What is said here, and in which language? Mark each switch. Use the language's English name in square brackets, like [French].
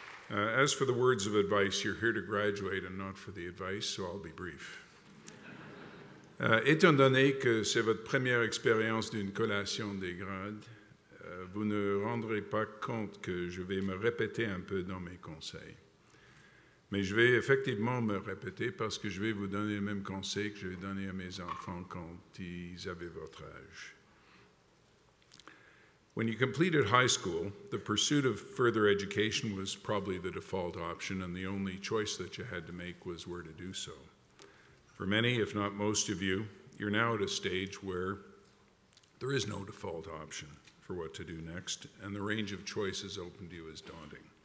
[English] As for the words of advice, you're here to graduate and not for the advice, so I'll be brief. [French] Étant donné que c'est votre première expérience d'une collation des grades, vous ne rendrez pas compte que je vais me répéter un peu dans mes conseils. Mais je vais effectivement me répéter parce que je vais vous donner le même conseil que je vais donner à mes enfants quand ils avaient votre âge. [English] When you completed high school, the pursuit of further education was probably the default option, and the only choice that you had to make was where to do so. For many, if not most of you, you're now at a stage where there is no default option for what to do next, and the range of choices open to you is daunting.